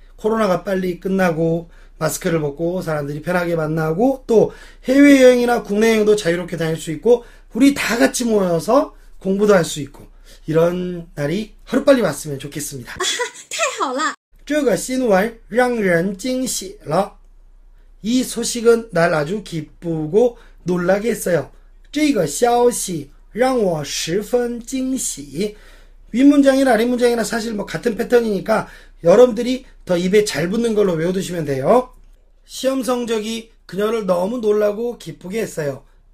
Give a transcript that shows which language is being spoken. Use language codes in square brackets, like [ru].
[ko] 코로나가 빨리 끝나고, 마스크를 벗고 사람들이 편하게 만나고 또 해외여행이나 국내여행도 자유롭게 다닐 수 있고 우리 다 같이 모여서 공부도 할수 있고 이런 날이 하루빨리 왔으면 좋겠습니다. [zh] 太好了. 这个新闻让人惊喜了. [ko] 이 소식은 날 아주 기쁘고 놀라게 했어요. [zh] 这个消息让我十分惊喜. [ko] 윗문장이나 아랫문장이나 사실 뭐 같은 패턴이니까 여러분들이 더 입에 잘 붙는 걸로 외워두시면 돼요. 시험 성적이 그녀를 너무 놀라고 기쁘게 했어요.